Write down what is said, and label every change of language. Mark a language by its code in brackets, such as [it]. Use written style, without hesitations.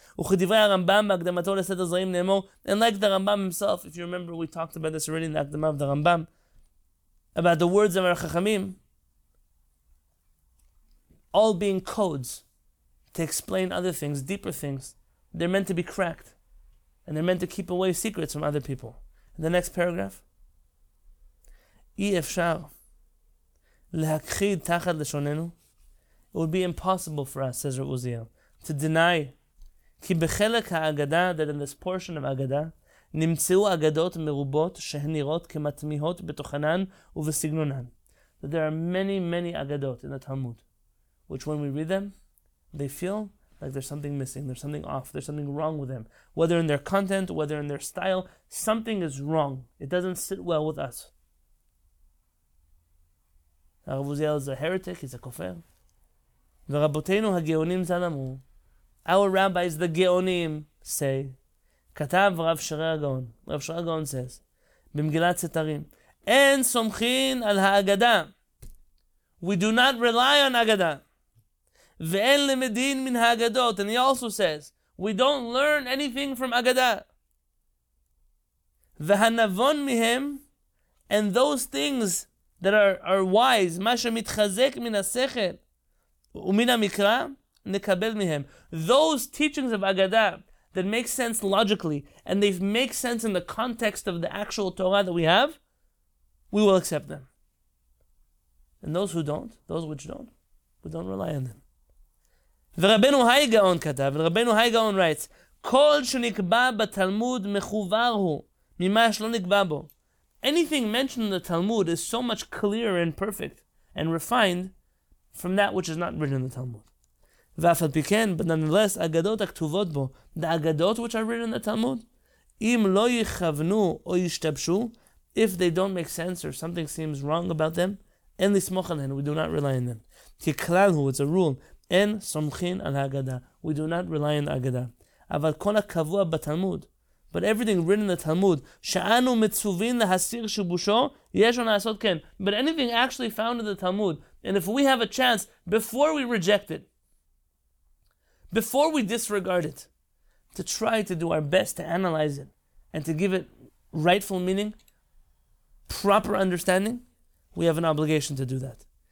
[he] Uchidivrei Rambam b'akdamato l'seder zrayim ne'emor, [en] and like the Rambam himself, if you remember, we talked about this already in the Akdamah of the Rambam, about the words of our Chachamim, all being codes to explain other things, deeper things. They're meant to be cracked, and they're meant to keep away secrets from other people. In the next paragraph, [he] Yi efshar להכחיד תחת לשוננו. [en] It would be impossible for us, says Reb Uziel, to deny, [he] כי בחלק האגדה, [en] that in this portion of האגדה, [he] נמצאו אגדות מרובות שהן נראות כמתמיהות בתוכנן ובסגנונן. [en] That there are many, many אגדות in the Talmud, which when we read them, they feel like there's something missing, there's something off, there's something wrong with them. Whether in their content, whether in their style, something is wrong. It doesn't sit well with us. הרב עוזיאל is a heretic, he's a kofer. [he] ורבותינו הגאונים זל אמרו, [en] our rabbis, the [he] גאונים, [en] say, [he] כתב רב שרי הגאון, רב שרי הגאון [en] says, [he] במגילת סתרים, אין סומכין על האגדה. [en] We do not rely on אגדה. [he] ואין למדין מן האגדות. [en] And he also says, we don't learn anything from אגדה. [he] והנבון מהם, [en] and those things that are wise, [he] מה שמתחזק מן השכל ומן המקרא, נקבל מהם. [en] Those teachings of Agada that make sense logically and they make sense in the context of the actual Torah that we have, we will accept them. And those who don't, those which don't, we don't rely on them. [he] ורבנו היי גאון כתב, ורבנו היי גאון [en] writes, [he] כל שנקבע בתלמוד מחובר הוא ממה שלא נקבע בו. [en] Anything mentioned in the Talmud is so much clearer and perfect and refined from that which is not written in the Talmud. [he] V'afal piken, [en] but nonetheless, [he] agadot haktuvot bo, [en] the agadot which are written in the Talmud, [he] im lo yichavnu o yishtabshu, [en] if they don't make sense or something seems wrong about them, [he] en lismoch alehen, [en] we do not rely on them. [he] Ki klal hu, [en] it's a rule, [he] אין סומכין על ההגדה. [en] We do not rely on the Agada. [he] אבל כל הקבוע בתלמוד, [en] but everything written in the Talmud, [he] שאנו מצווין להסיר שיבושו, יש לנו לעשות כן. [en] But anything actually found in the Talmud, and if we have a chance, before we reject it, before we disregard it, to try to do our best to analyze it, and to give it rightful meaning, proper understanding, we have an obligation to do that.